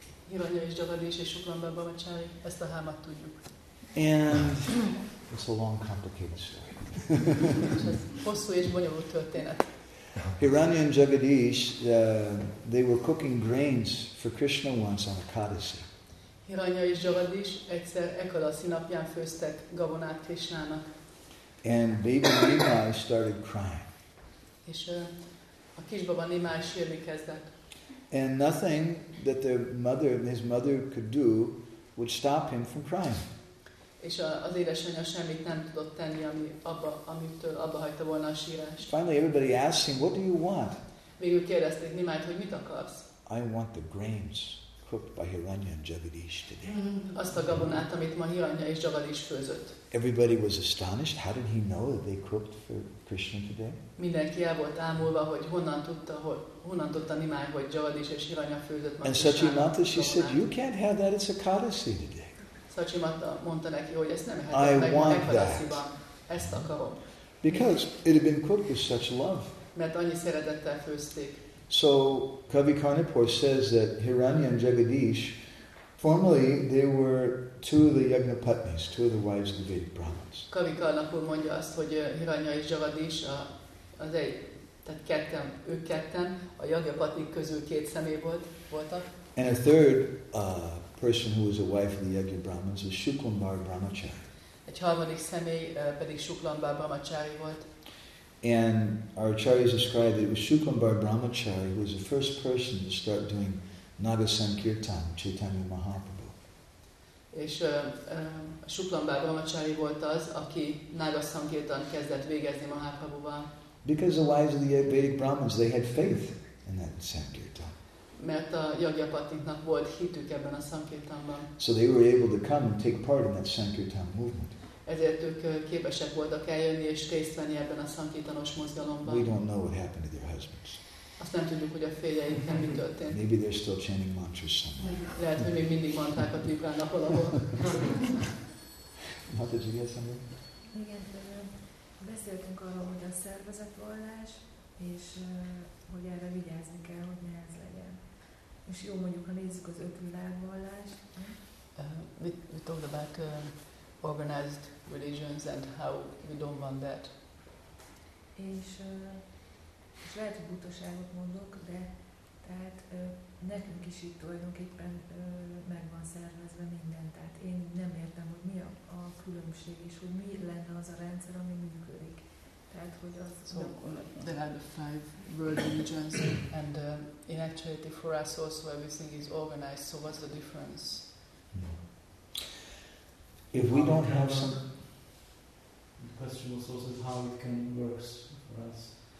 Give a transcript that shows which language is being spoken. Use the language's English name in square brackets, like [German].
[Hungarian] Hiranya és Jagadish és Shuklambar Brahmachari, ezt a hármat tudjuk. [English] And it's a long, complicated story. [Hungarian] Hosszú és bonyolult történet. [English] Hiranya and Jagadish, they were cooking grains for Krishna once on Ekadasi. [Hungarian] Hiranya és Jagadish egyszer Ekadasi napján főztek gabonát Krishnának. [English] And baby Nimai started crying. [Hungarian] És a kisbaba Nimai sírni kezdett. [English] And nothing that his mother could do would stop him from crying. [Hungarian] és az édesanyja semmit nem tudott tenni, ami abba, amitől abba hagyta volna a sírást. [English] Finally everybody asked him, what do you want? [Hungarian] Végül kérdezték Nimájt, hogy mit akarsz? [English] I want the grains cooked by Hiranya and Jagadish today. [Hungarian] Azt a gabonát, amit ma Hiranya és Jagadish főzött. [English] Everybody was astonished. How did he know that they cooked for Krishna today? [Hungarian] Mindenki el volt ámulva, hogy honnan tudta Nimáj, hogy Jagadish és Hiranya főzött ma. [English] And Satchimata, she said, you can't have that. It's a Kadasi today. [Hungarian] Satchimata mondta neki, hogy ezt nem eheted meg, mert Kadasiban. Ezt akarom. [English] Because it had been cooked with such love. [Hungarian] Mert annyi szeretettel főzték. [English] So Kavi Karnapur says that Hiranya and Jagadish, formerly they were two of the Yajnapatnis, two of the wives of the Vedic Brahmins. [Hungarian] Kavi Karnapur mondja azt, hogy Hiranya és Jagadish az egy, tehát ketten, ők ketten a Yajnapatnik közül két személy voltak. [English] And a third person who was a wife of the Yajna Brahmins is Shuklambar Brahmachari. [Hungarian] Egy harmadik személy pedig Shuklambar Brahmachari volt. [English] And our acharyas described that it was Shuklambar Brahmachari who was the first person to start doing Naga Sankirtan, Chaitanya Mahaprabhu. [Hungarian] És Shuklambar Brahmachari volt az, aki Naga Sankirtan kezdett végezni Mahaprabhuval. [English] Because the wives of the Vedic Brahmins, they had faith in that Sankirtan. [Hungarian] Mert a Yajnapatniknak volt hitük ebben a Sankirtanban. [English] So they were able to come and take part in that Sankirtan movement. [Hungarian] Ezért ők képesek voltak eljönni és részt venni ebben a szankítanos mozgalomban. [English] We don't know what happened to their husbands. [Hungarian] Azt nem tudjuk, hogy a férjeik nem mi történt. [English] Maybe they're still chanting mantras somewhere. [Hungarian] Lehet, hogy még mindig mantrák a tibránnak valahol. [English] Mata, did you get something? [Hungarian] Igen, beszéltünk arról, hogy a szervezetvallás, és hogy erre vigyázni kell, hogy nehez legyen. És jó, mondjuk, ha nézzük az öt világvallást. [English] We talked about organized religions and how we don't want that. [Hungarian] És lehet, hogy butaságot mondok, de tehát nekünk is itt tulajdonképpen meg van szervezve minden. Tehát én nem értem, hogy mi a különbség és hogy mi lenne az a rendszer, ami működik. Tehát, hogy az... [English] So, there are the five world religions and in actuality for us also everything is organized, so what's the difference? If we don't have some... The question was also how it can work for us.